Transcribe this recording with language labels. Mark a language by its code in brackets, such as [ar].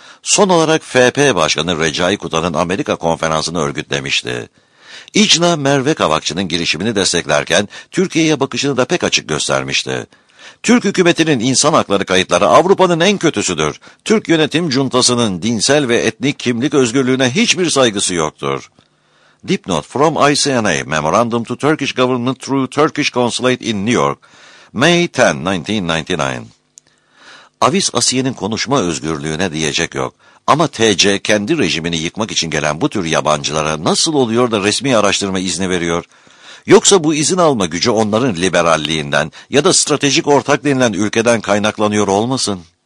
[tr] Son olarak FP Başkanı Recai Kutan'ın Amerika konferansını örgütlemişti. İcna Merve Kavakçı'nın girişimini desteklerken Türkiye'ye bakışını da pek açık göstermişti. Türk hükümetinin insan hakları kayıtları Avrupa'nın en kötüsüdür. Türk yönetim cuntasının dinsel ve etnik kimlik özgürlüğüne hiçbir saygısı yoktur. [en] Dipnot from ICNA Memorandum to Turkish Government through Turkish Consulate in New York, May 10, 1999. [tr] Avis Asiye'nin konuşma özgürlüğüne diyecek yok. Ama TC kendi rejimini yıkmak için gelen bu tür yabancılara nasıl oluyor da resmi araştırma izni veriyor? Yoksa bu izin alma gücü onların liberalliğinden ya da stratejik ortak denilen ülkeden kaynaklanıyor olmasın?